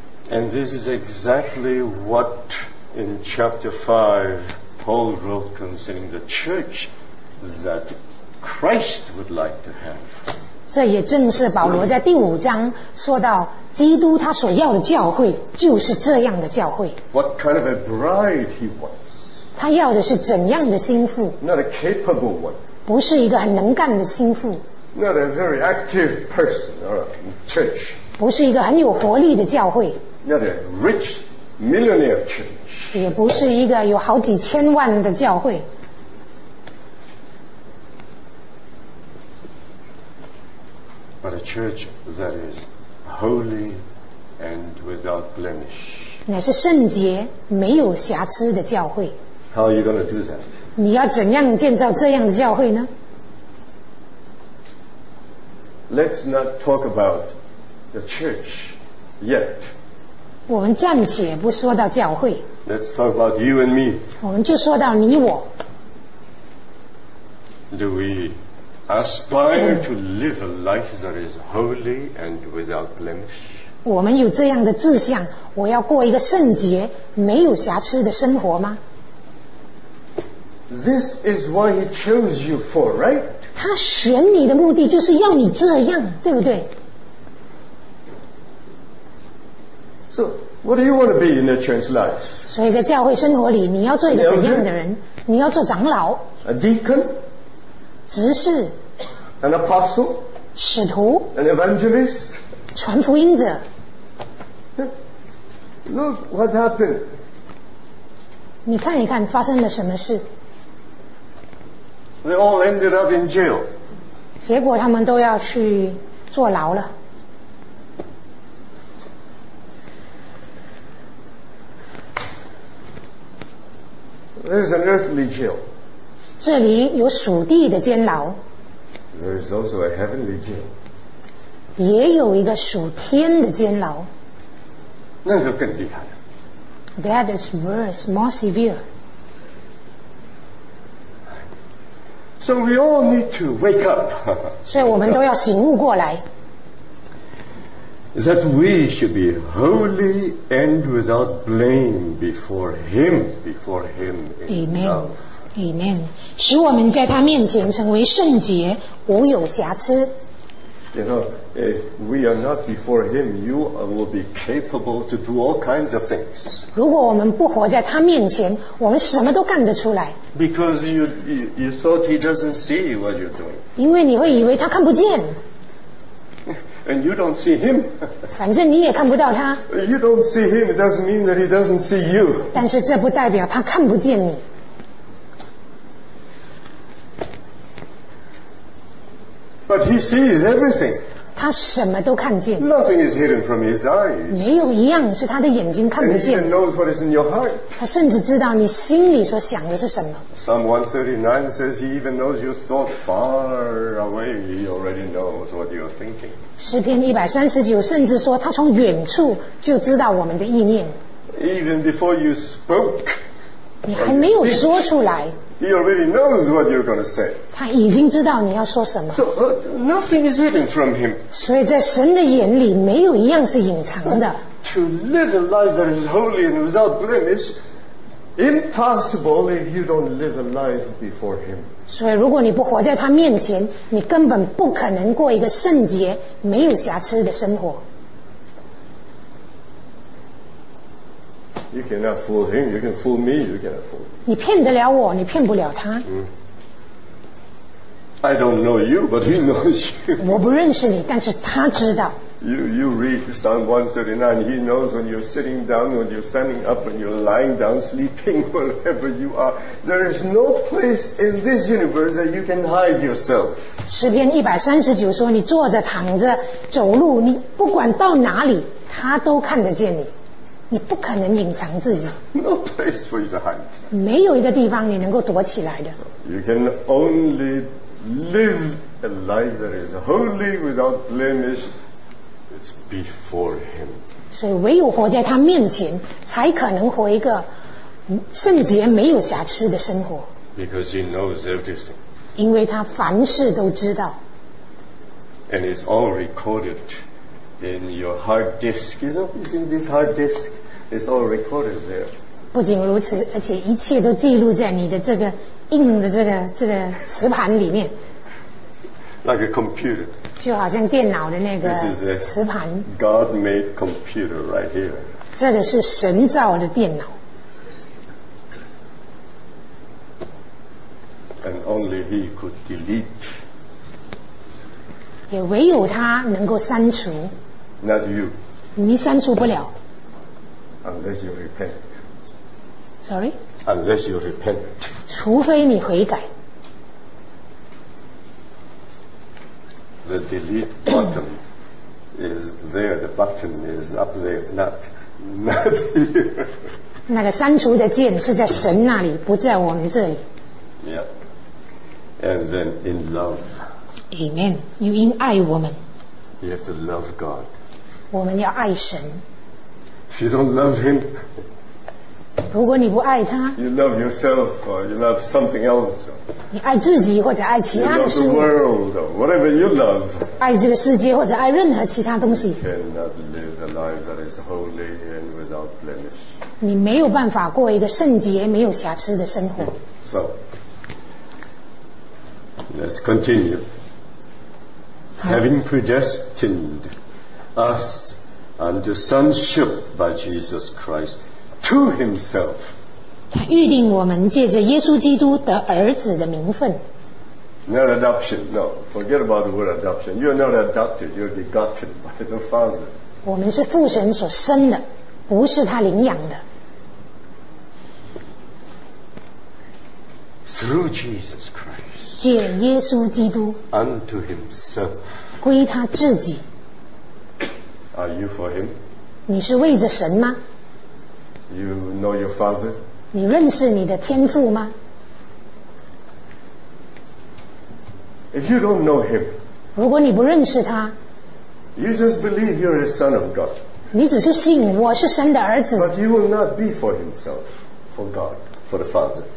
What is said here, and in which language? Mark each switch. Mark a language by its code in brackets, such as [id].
[en] And this is exactly what in chapter 5 Paul wrote concerning the church that Christ would like to have. [zh] 这也正是保罗在第五章说到基督他所要的教会就是这样的教会。 [en] What kind of a bride he wants. [zh] 他要的是怎样的心腹。 [en] Not a capable one. [zh] 不是一个很能干的心腹。 [en] Not a very active person or a church. [zh] 不是一个很有活力的教会。 [en] Not a rich millionaire church. [zh] 也不是一个有好几千万的教会。 [en] But a church that is holy and without blemish. [zh] 乃是圣洁没有瑕疵的教会。 [en] How are you going to do that? [zh] 你要怎样建造这样的教会呢？ [en] Let's not talk about the church yet. [zh] 我们暂且不说到教会。 [en] Let's talk about you and me. [zh] 我们就说到你我。 [en] Do we aspire to live a life that is holy and without blemish? [zh] 我们有这样的志向，我要过一个圣洁、没有瑕疵的生活吗？ [en] This is what he chose you for, right? [zh] 他选你的目的就是要你这样，对不对？ [en] So, what do you want to be in the church life? [zh] 所以在教会生活里，你要做一个怎样的人？你要做长老。 [en] A deacon. [zh] 执事。 [en] An apostle. [zh] 使徒。 [en] An evangelist. [zh] 传福音者。 [en] Look what happened. [zh] 你看一看发生了什么事。 [en] They all ended up in jail. [zh] 结果他们都要去坐牢了。 [en] There is an earthly jail. [zh] 这里有属地的监牢。 [en] There is also a heavenly jail. [zh] 也有一个属天的监牢。那个更厉害。 [en] That is worse, more severe. So we all need to wake up. [zh] 所以我们都要醒悟过来。 [en] That we should be holy and without blame before Him, before Him in Amen. love. Amen. [zh] 使我们在他面前成为圣洁，无有瑕疵。 [en] You know, if we are not before Him, you will be capable to do all kinds of things. [zh] 如果我们不活在他面前，我们什么都干得出来。 [en] Because you thought He doesn't see what you're doing. [zh] 因为你会以为他看不见。 [en] And you don't see him. [zh] 反正你也看不到他。 [en] You don't see him, it doesn't mean that he doesn't see you. [zh] 但是这不代表他看不见你。 [en] But he sees everything. [zh] 他什么都看见。 [en] Nothing is hidden from his eyes. [zh] 没有一样是他的眼睛看不见。 [en] And he even knows what is in your heart. [zh] 他甚至知道你心里所想的是什么。 [en] Psalm 139 says he even knows your thoughts far away. He already knows what you're thinking. [zh] 诗篇139甚至说他从远处就知道我们的意念。 [en] Even before you spoke, [zh] 你还没有说出来。 [en] He already knows what you're going to say. [zh] 他已经知道你要说什么。 [en] So, nothing is hidden from him. [zh] 所以在神的眼里没有一样是隐藏的。 [en] To live a life that is holy and without blemish is impossible if you don't live a life before him. [zh] 所以如果你不活在他面前，你根本不可能过一个圣洁、没有瑕疵的生活。 [en] You cannot fool him. You can fool me. You cannot fool me. [zh] 你骗得了我，你骗不了他。 [en] I don't know you, but he knows you. [zh] 我不认识你，但是他知道。 [en] You read Psalm 139. He knows when you're sitting down, when you're standing up, when you're lying down, sleeping, wherever you are. There is no place in this universe that you can hide yourself. [zh] 诗篇139说，你坐着、躺着、走路，你不管到哪里，他都看得见你。你不可能隐藏自己。 [en] No place for you to hide. [zh] 没有一个地方你能够躲起来的。 [en] You can only live a life that is holy without blemish. It's before him. [zh] 所以唯有活在他面前，才可能活一个圣洁没有瑕疵的生活。 [en] Because he knows everything. [zh] 因为他凡事都知道。 [en] And it's all recorded. In your hard disk, isn't it? In this hard disk, it's all recorded there. [zh] 不仅如此，而且一切都记录在你的这个硬的这个磁盘里面。 [en] Like a computer. [zh] 就好像电脑的那个磁盘。 [en] This is a God-made computer right here. [zh] 这个是神造的电脑。 [en] And only he could delete. [zh] 也唯有他能够删除。 [en] Not you. [zh] 你删除不了。 [en] Unless you repent. Sorry? Unless you repent. [zh] 除非你悔改。 [en] The delete button is there. The button is up there. Not here. [zh] 那个删除的键是在神那里，不在我们这里。 [en] Yeah. And then in love. [zh] Amen. 又因爱我们。 [en] You have to love God. [zh] 我们要爱神。 [en] If you don't love Him, [zh] 如果你不爱他， [en] you love yourself or you love something else. [zh] 你爱自己或者爱其他的事物。 [en] You love the world or whatever you love. [zh] 爱这个世界或者爱任何其他东西。 [en] You cannot live a life that is holy and without blemish. [zh] 你没有办法过一个圣洁没有瑕疵的生活。 [en] So, let's continue. Having predestined us unto sonship by Jesus Christ to himself. [zh] 他预定我们借着耶稣基督得儿子的名分。 [en] Not adoption, no. Forget about the word adoption. You are not adopted, you are begotten by the Father. [zh] 我们是父神所生的，不是他领养的。 [en] Through Jesus Christ. [zh] 借耶稣基督 [en] unto himself [zh] 归他自己。 [en] Are you for him? [zh] 你是为着神吗？ [en] You know your father? [zh] 你认识你的天父吗？ [en] If you don't know him, [zh] 如果你不认识他， [en] You just believe you're a son of God. [zh] 你只是信我是神的儿子。 [en] But you will not be for himself, for God, for the father.